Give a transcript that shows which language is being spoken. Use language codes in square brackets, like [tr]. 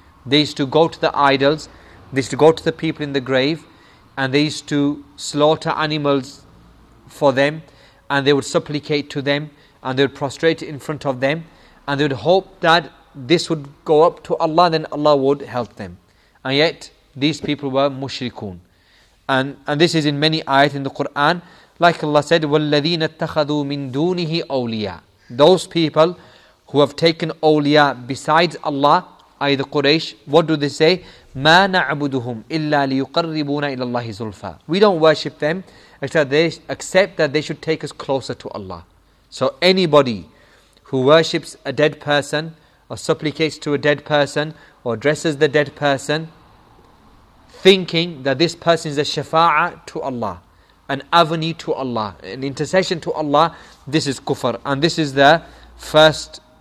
[en] They used to go to the idols, they used to go to the people in the grave, and they used to slaughter animals for them, and they would supplicate to them, and they would prostrate in front of them, and they would hope that this would go up to Allah, then Allah would help them. And yet these people were mushrikun. And this is in many ayat in the Quran. Like Allah said, [ar] وَالَّذِينَ اتَّخَذُوا مِن دُونِهِ أَوْلِيَا. [en] Those people who have taken awliya besides Allah, i.e. the Quraysh, what do they say? [ar] مَا نَعْبُدُهُمْ إِلَّا لِيُقَرِّبُونَ إِلَى اللَّهِ زُلْفَى. [en] We don't worship them except that they should take us closer to Allah. So anybody who worships a dead person, or supplicates to a dead person, or addresses the dead person, thinking that this person is a shafa'a to Allah, an avenue to Allah, an intercession to Allah, this is kufr. And this is the first